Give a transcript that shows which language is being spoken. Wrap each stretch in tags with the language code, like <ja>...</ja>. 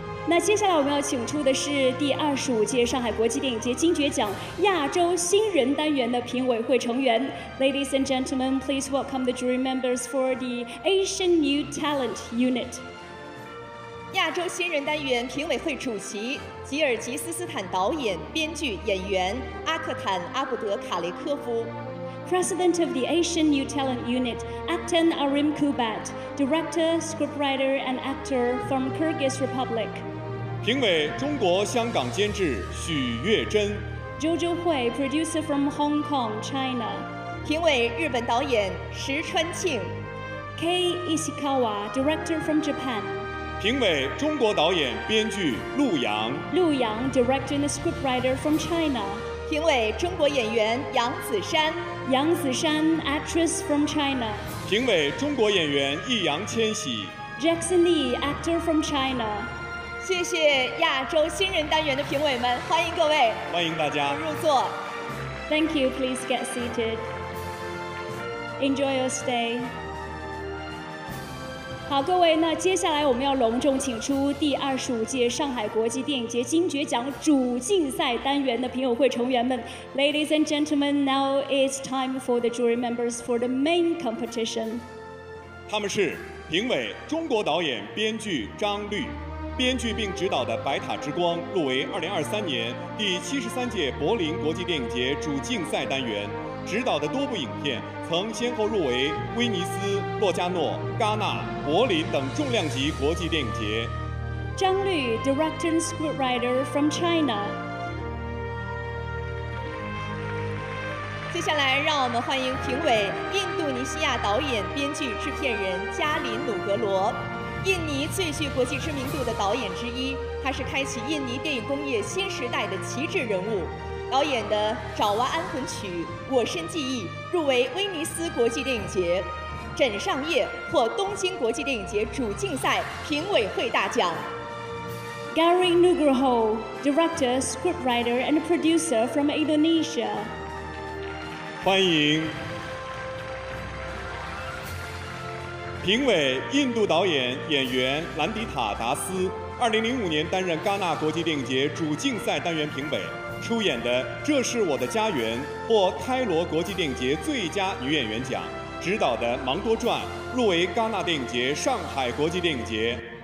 <zh>那接下来我们要请出的是第25届上海国际电影节金爵奖亚洲新人单元的评委会成员。</zh> <en>Ladies and gentlemen, please welcome the jury members for the Asian New Talent Unit.</en> <zh>亚洲新人单元评委会主席吉尔吉斯斯坦导演、编剧、演员阿克坦·阿卜德·卡雷科夫。</zh> <en>President of the Asian New Talent Unit, Aktan Arimkubat, Director, Scriptwriter, and Actor from Kyrgyz Republic.</en> <zh>评委中国香港监制许月珍。</zh> <en>Jojo Hui, Producer from Hong Kong, China.</en> <zh>评委日本导演石川庆。</zh> <en>Kei Ishikawa, Director from Japan.</en> <zh>评委中国导演编剧陆阳。</zh> <en>陆阳, Director and Scriptwriter from China.</en> <zh>评委中国演员杨子姗。</zh> <en>杨子姗 actress from China.</en> <zh>评委中国演员易烊千玺。</zh> <en>Jackson Lee, actor from China.</en> <zh>谢谢亚洲新人单元的评委们，欢迎各位，欢迎大家入座。</zh> <en>Thank you, please get seated. Enjoy your stay.</en> <zh>好，各位，那接下来我们要隆重请出第25届上海国际电影节金爵奖主竞赛单元的评委会成员们。</zh> <en>Ladies and gentlemen, now it's time for the jury members for the main competition.</en> <zh>他们是评委中国导演编剧张律，编剧并执导的《白塔之光》入围2023年第73届柏林国际电影节主竞赛单元。执导的多部影片曾先后入围威尼斯、洛加诺、戛纳、柏林等重量级国际电影节。</zh> <en>张律 ，director and scriptwriter from China。</en> <zh>接下来，让我们欢迎评委印度尼西亚导演、编剧、制片人加林努格罗，印尼最具国际知名度的导演之一，他是开启印尼电影工业新时代的旗帜人物。导演的《爪哇安魂曲》《我身记忆》入围威尼斯国际电影节，《枕上夜》获东京国际电影节主竞赛评委会大奖。</zh> <en>Gary Nugroho, director, scriptwriter, and producer from Indonesia.</en> <zh>欢迎评委印度导演演员兰迪塔达斯，2005年担任戛纳国际电影节主竞赛单元评委。出演的《这是我的家园》获开罗国际电影节最佳女演员奖，执导的《芒多传》入围戛纳电影节、上海国际电影节。</zh>